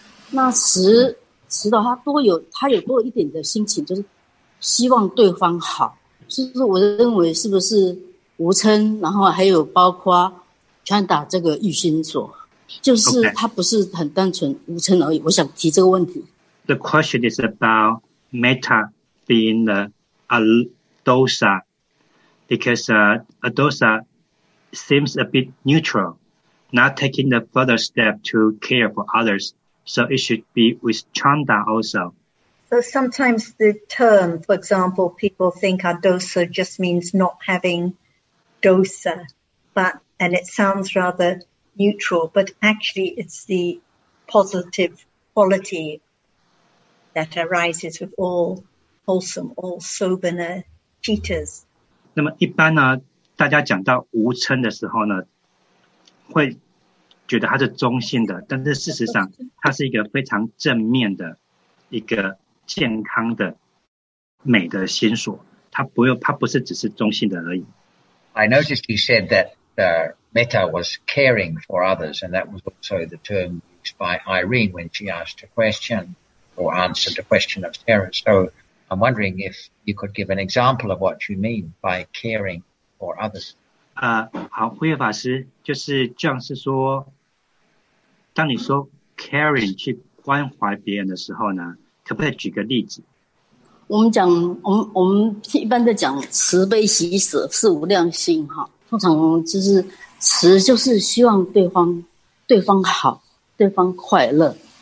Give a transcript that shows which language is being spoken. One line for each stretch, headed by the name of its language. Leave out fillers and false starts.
Chinese: 那慈的话它有多一点的心情，就是希望对方好。是不是我认为是不是无嗔，然后还有包括传达这个欲心所，就是它不是很单纯无嗔而已。我想提这个问题。
English: The question is about metta being a dosa, because a dosa seems a bit neutral, not taking the further step to care for others. So it should be with chanda also. So sometimes the term, for example, people think a dosa just means not having dosa, and it sounds rather neutral, but actually it's the positive quality that arises with all wholesome, all soberness cheaters.
Chinese: 那么一般呢，大家讲到无嗔的时候呢，会觉得它是中性的，但是事实上它是一个非常正面的一个健康的美的心所，它不是只是中性的而已。
English: I noticed you said that metta was caring for others, and that was also the term used by Irene when she asked a question. Or answered a question of Sarah. So I'm wondering if you could give an example of what you mean by caring for others.
Chinese: 好，慧月法师，就是这样是说，当你说 caring 去关怀别人的时候呢，可不可以举个例子？我们讲，我们一般在讲慈悲喜舍四无量心哈，通常就是慈就是希望对方好，对方快乐。